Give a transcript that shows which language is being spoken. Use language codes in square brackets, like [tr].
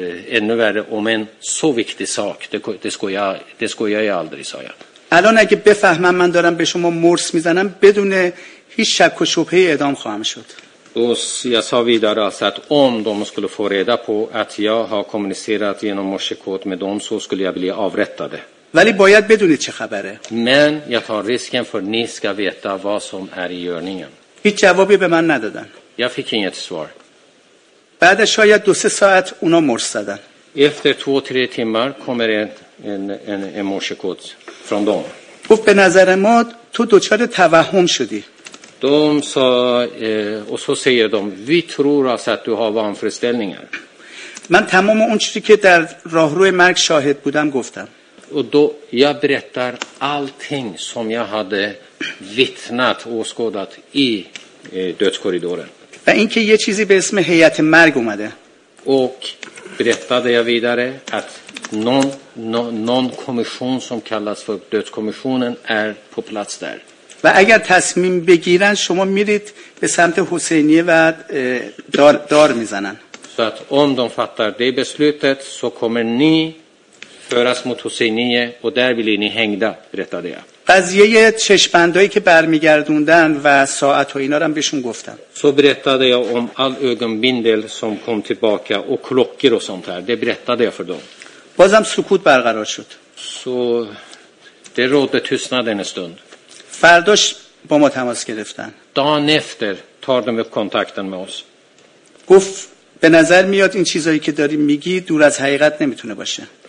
[sv] ännu värre om en så viktig sak. Det skojar jag aldrig, sa jag. [fa] الان اگه بفهمم من دارم به شما مرس میزنم بدون هیچ شک و شبهه اعدام خواهم شد. [sv] Jag sa vidare att om de skulle få reda på att jag har kommunicerat genom morsekod med dem så skulle jag bli avrättade. [fa] ولی باید بدونید چه خبره. [sv] Men jag tar risken för ni ska veta vad som är i görningen. [fa] هیچ جوابی به من ندادن. [sv] Jag fick inget svar. [fa] بعد شاید دو سه ساعت اونا مرس زدن. [sv] Efter 2-3 timmar kommer en morsekod från dem. [fa] گفت به نظر ما تو دچار توهم شدی. [sv] De sa, och så säger de, vi tror alltså att du har vanföreställningar. [fa] من تمام اون چیزی که در راهروی مرگ شاهد بودم گفتم. [sv] Och då jag berättar allting som jag hade vittnat och åskådat i dödskorridoren. [fa] و اینکه یه چیزی به اسم هیئت مرگ اومده. [sv] Och berättade jag vidare att någon kommission som kallas för dödskommissionen är på plats där. [fa] و اگر تصمیم بگیرن شما میرید به سمت حسینیه و دار میزنن. [sv] Så om de fattar det beslutet så kommer ni föras mot Husseinie och där blir ni hängda, berättade jag. [fa] قضیه چشمندایی که برمیگردوندن و ساعت و اینا رو هم بهشون گفتم. [sv] Så berättade jag om all ögonbindel som kom tillbaka och klockor och sånt här. Det berättade jag för dem. [fa] بازم سکوت برقرار شد. [sv] Så det rådde tystnad en stund. [fa] فرداش با ما تماس گرفتن. [sv] Dagen efter tar de upp kontakten med oss. [fa] گفت به نظر میاد این چیزایی که داری میگی دور از حقیقت نمیتونه باشه.